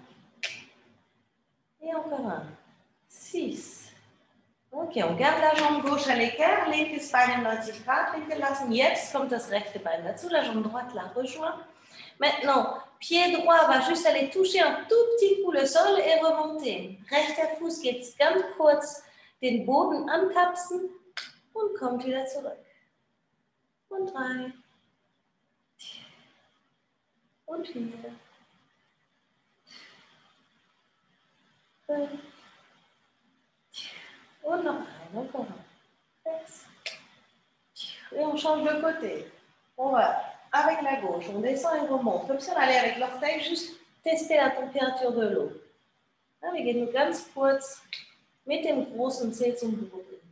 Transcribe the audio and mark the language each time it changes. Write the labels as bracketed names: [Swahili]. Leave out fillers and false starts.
[French] 4, 5, et encore un, 6. Ok, on garde la jambe gauche à l'équerre, [German] linke Spine 90 Grad, linke lassen. Jetzt kommt das rechte Bein dazu, [French] la jambe droite la rejoint. Maintenant, pied droit va juste aller toucher un tout petit coup le sol et remonter. [German] Rechter Fuß geht ganz kurz den Boden ankapsen und kommt wieder zurück. Und 3. Und vier. Und noch ein, [French] encore un. [German] Sechs. [French] Et on change de côté. On va avec la gauche, on descend et remonte. Comme si on allait avec l'orteil juste tester la température de l'eau. [German] Wir gehen nur ganz kurz mit dem großen Zeh zum Boden.